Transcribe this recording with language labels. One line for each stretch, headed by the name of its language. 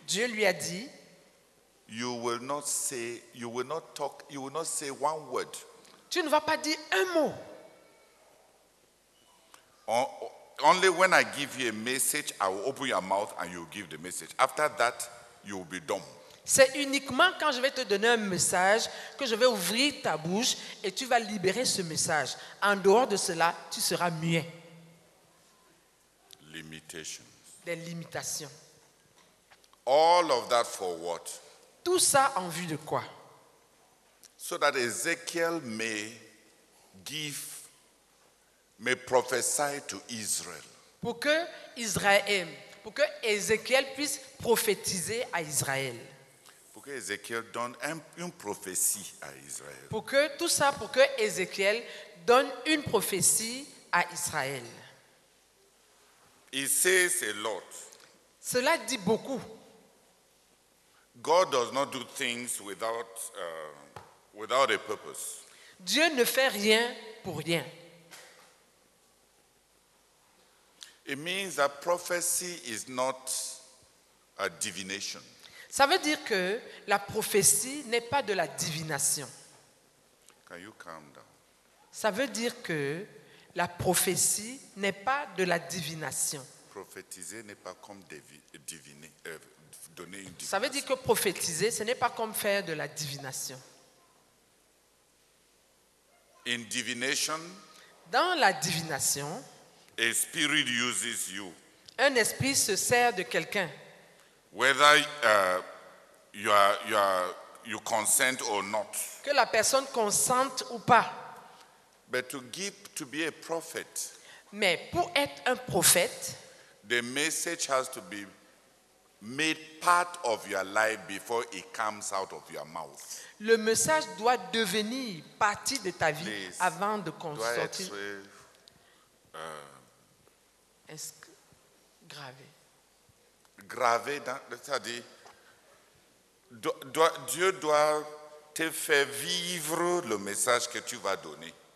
French: Dieu lui a dit.
English: You will not say. You will not talk. You will not say one word.
French: Tu ne vas pas dire un mot.
English: Only when I give you a message, I will open your mouth and you will give the message. After that, you will be dumb.
French: C'est uniquement quand je vais te donner un message que je vais ouvrir ta bouche et tu vas libérer ce message. En dehors de cela, tu seras muet.
English: limitations.
French: Des limitations.
English: All of that for what?
French: Tout ça en vue de quoi?
English: So that Ezekiel may give, may prophesy to Israel.
French: Pour que Israël, pour que Ezekiel puisse prophétiser à Israël. Pour que Ezekiel donne une prophétie à Israël. Pour que tout ça, pour que Ezekiel donne une prophétie à Israël.
English: He says a lot.
French: Cela dit beaucoup.
English: God does not do things without a purpose.
French: Dieu ne fait rien pour rien.
English: It means that prophecy is not a divination.
French: Ça veut dire que la prophétie n'est pas de la divination.
English: Can you calm down?
French: Ça veut dire que la prophétie n'est pas de la divination. Prophétiser n'est pas comme deviner, donner une divination. Ça veut dire que prophétiser, ce n'est pas comme faire de la divination.
English: In divination,
French: dans la divination,
English: a spirit uses you.
French: Un esprit se sert de quelqu'un.
English: Whether you consent or not.
French: Que la personne consente ou pas.
English: But to be a prophet.
French: Mais pour être un prophète,
English: the message has to be made part of your life before it comes out of your mouth.
French: Le message doit devenir partie de ta vie avant de sortir. Est-ce que gravé? Gravé dans, c'est-à-dire, Dieu doit te faire vivre le message que tu vas donner.